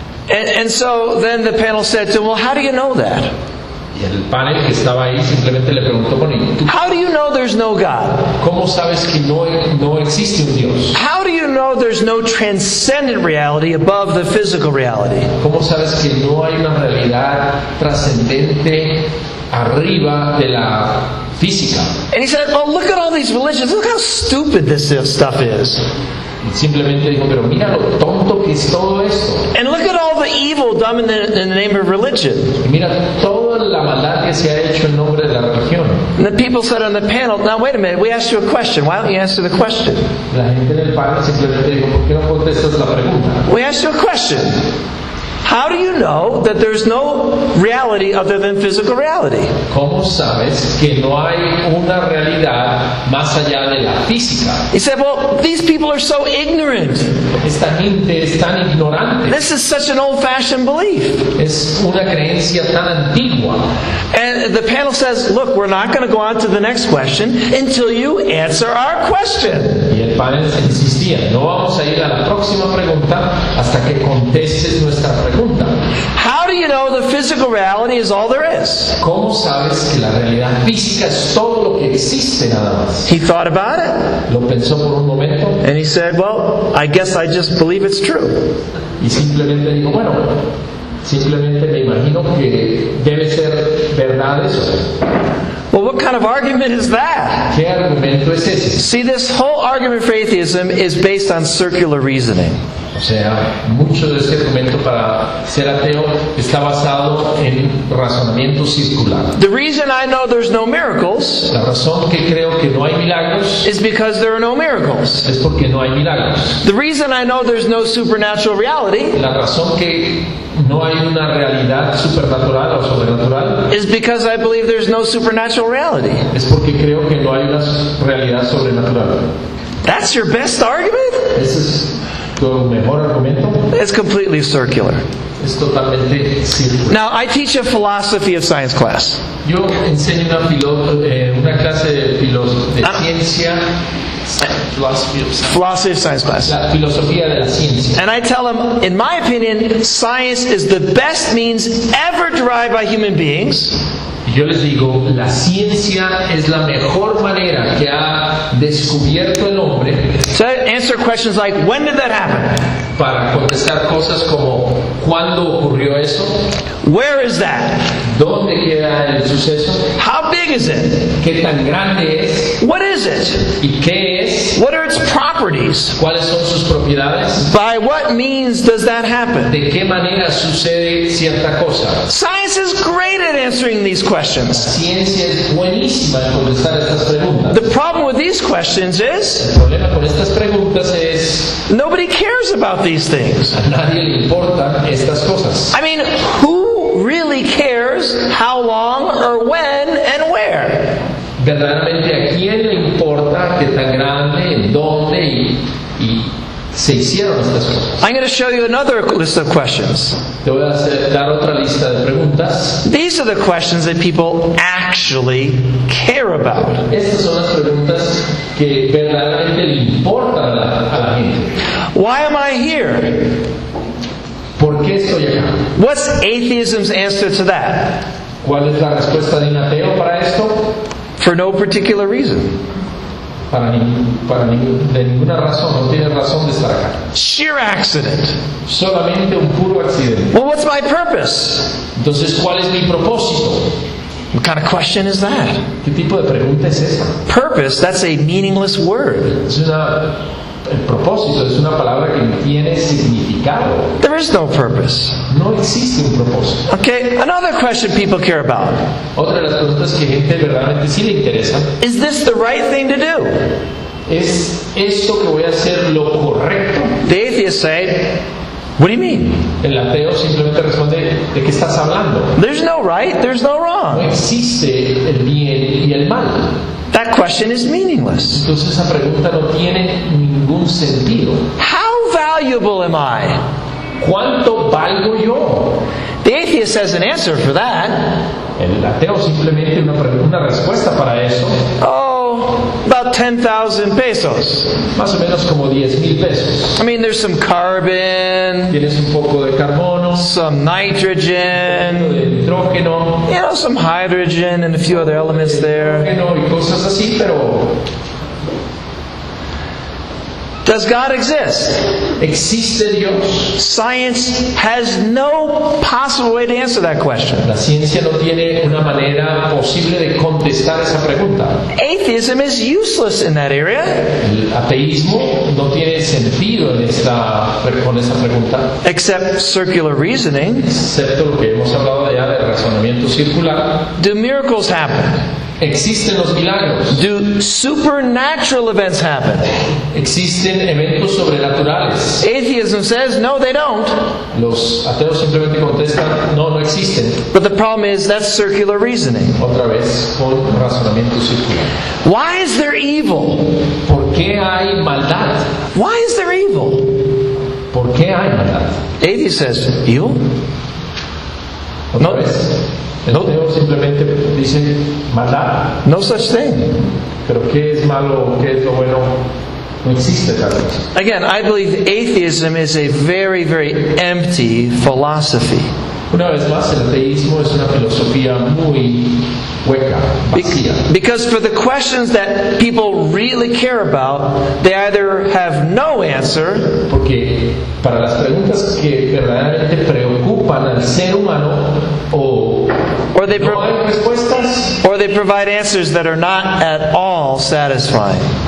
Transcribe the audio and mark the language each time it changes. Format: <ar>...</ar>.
<en>And so then the panel said to him, well, how do you know that?</en> <es>Y el panel que estaba ahí simplemente le preguntó con él.</es> <en>How do you know there's no God?</en> <es>¿Cómo sabes que no existe un Dios?</es> <en>How do you know there's no transcendent reality above the physical reality?</en> <es>¿Cómo sabes que no hay una realidad trascendente arriba de la física?</es> <en>And he said, "Oh, look at all these religions. Look how stupid this stuff is."</en> <es>Y simplemente dijo, pero mira lo tonto que es todo esto.</es> <en>And look at all the evil done in the name of religion.</en> <es>Y mira toda la maldad que se ha hecho en nombre de la religión.</es> <en>And the people said on the panel, now wait a minute, we asked you a question. Why don't you answer the question?</en> <es>La gente del panel simplemente dijo, ¿por qué no contestas la pregunta?</es> <en>We asked you a question. How do you know that there's no reality other than physical reality?</en> <es>¿Cómo sabes que no hay una realidad más allá de la física?</es> <en>He said, well, these people are so ignorant.</en> <es>Esta gente es tan ignorante.</es> <en>This is such an old-fashioned belief.</en> <es>Es una creencia tan antigua.</es> <en>And the panel says, look, we're not going to go on to the next question until you answer our question.</en> <es>Y el panel insistía, no vamos a ir a la próxima pregunta hasta que contestes nuestra pregunta.</es> <en>How do you know the physical reality is all there is?</en> <es>¿Cómo sabes que la realidad física es todo lo que existe nada más?</es> <en>He thought about it.</en> <es>Lo pensó por un momento.</es> <en>And he said, well, I guess I just believe it's true.</en> <es>Y simplemente dijo, bueno, simplemente me imagino que debe ser verdad eso.</es> <en>Well, what kind of argument is that?</en> <es>¿Qué argumento es ese?</es> <en>See, this whole argument for atheism is based on circular reasoning.</en> <es>O sea, mucho de este argumento para ser ateo está basado en razonamiento circular.</es> <en>The reason I know there's no miracles,</en> <es>la razón que creo que no hay milagros,</es> <en>is because there are no miracles.</en> <es>Es porque no hay milagros.</es> <en>The reason I know there's no supernatural reality,</en> <es>la razón que no hay una realidad supernatural o sobrenatural,</es> <en>is because I believe there's no supernatural reality.</en> <es>Es porque creo que no hay una realidad sobrenatural.</es> <en>That's your best argument?</en> <es>Ese es tu mejor argumento.</es> <en>It's completely circular.</en> <es>Es totalmente circular.</es> <en>Now, I teach a philosophy of science class.</en> <es>Yo enseño una clase de ciencia.</es> <en>Philosophy of science class.</en> <es>La filosofía de la ciencia.</es> <en>And I tell them, in my opinion, science is the best means ever derived by human beings.</en> <es>Yo les digo, la ciencia es la mejor manera que ha descubierto el hombre.</es> <en>So answer questions like, when did that happen?</en> <es>Para contestar cosas como, ¿cuándo ocurrió eso?</es> <en>Where is that?</en> <es>¿Dónde queda el suceso?</es> <en>How big is it?</en> <es>¿Qué tan grande es?</es> <en>What is it?</en> <es>¿Y qué es?</es> <en>What are its properties?</en> <es>¿Cuáles son sus propiedades?</es> <en>By what means does that happen?</en> <es>¿De qué manera sucede cierta cosa?</es> <en>Science is great at answering these questions.</en> <es>La ciencia es buenísima en contestar estas preguntas.</es> <en>The problem with these questions is,</en> <es>el problema con estas preguntas es,</es> <en>nobody cares about these things.</en> <es>A nadie le importan estas cosas.</es> <en>I mean, who really cares how long or when and where?</en> <es>¿Verdaderamente a quién le importa qué tan grande, en dónde y se hicieron estas cosas?</es> <en>I'm going to show you another list of questions.</en> <es>Te voy a dar otra lista de preguntas.</es> <en>These are the questions that people actually care about.</en> <es>Estas son las preguntas que verdaderamente le importan a la gente.</es> <en>Why am I here?</en> <es>¿Por qué estoy acá?</es> <en>What's atheism's answer to that?</en> <es>¿Cuál es la respuesta de un ateo para esto?</es> <en>For no particular reason.</en> <es>De ninguna razón, no tiene razón de estar acá.</es> <en>Sheer accident.</en> <es>Solamente un puro accidente.</es> <en>Well, what's my purpose?</en> <es>Entonces, ¿cuál es mi propósito?</es> <en>What kind of question is that?</en> <es>¿Qué tipo de pregunta es esa?</es> <en>Purpose, that's a meaningless word.</en> <es>Es una, el propósito es una palabra que no tiene significado.</es> <en>There is no purpose.</en> <es>No existe un propósito.</es> <en>Okay, another question people care about.</en> <es>Otra de las preguntas que gente verdaderamente sí le interesa.</es> <en>Is this the right thing to do?</en> <es>¿Es esto que voy a hacer lo correcto?</es> <en>The atheist say, what do you mean?</en> <es>El ateo simplemente responde, ¿de qué estás hablando?</es> <en>There's no right, there's no wrong.</en> <es>No existe el bien y el mal.</es> <en>That question is meaningless.</en> <es>Entonces, esa pregunta no tiene ningún sentido.</es> <en>How valuable am I?</en> <es>¿Cuánto valgo yo?</es> <en>The atheist has an answer for that.</en> <es>El ateo simplemente una respuesta para eso.</es> <en>Oh, about 10,000 pesos.</en> <es>Más o menos como 10,000 pesos.</es> <en>I mean, there's some carbon.</en> <es>Tienes un poco de carbono.</es> <en>Some nitrogen.</en> <es>Un poco de nitrógeno.</es> <en>You know, some hydrogen and a few other elements there.</en> <es>Nitrógeno y cosas así, pero...</es> <en>Does God exist?</en> <es>¿Existe Dios?</es> <en>Science has no possible way to answer that question.</en> <es>La ciencia no tiene una manera posible de contestar esa pregunta.</es> <en>Atheism is useless in that area.</en> <es>El ateísmo no tiene sentido en esta, con esa pregunta.</es> <en>Except circular reasoning.</en> <es>Excepto lo que hemos hablado ya de razonamiento circular.</es> <en>Do miracles happen?</en> <es>¿Existen los milagros?</es> <en>Do supernatural events happen?</en> <es>¿Existen eventos sobrenaturales?</es> <en>Atheism says, no, they don't.</en> <es>Los ateos simplemente contestan, no, no existen.</es> <en>But the problem is, that's circular reasoning.</en> <es>Otra vez, con razonamiento circular.</es> <en>Why is there evil?</en> <es>¿Por qué hay maldad?</es> <en>Why is there evil?</en> <es>¿Por qué hay maldad?</es> <en>Atheist says, you?</en> <es>Otra no. Vez. No, simplemente dice maldad.</es> <en>No such thing.</en> <es>Pero qué es malo, qué es lo bueno, no existe tal cosa.</es> <en>Again, I believe atheism is a very, very empty philosophy.</en> <es>Una vez más, el ateísmo es una filosofía muy hueca, vacía.</es> <en>Because for the questions that people really care about, they either have no answer.</en> <es>Porque para las preguntas que verdaderamente preocupan al ser humano,</es> <en>Or they provide answers that are not at all satisfying.</en>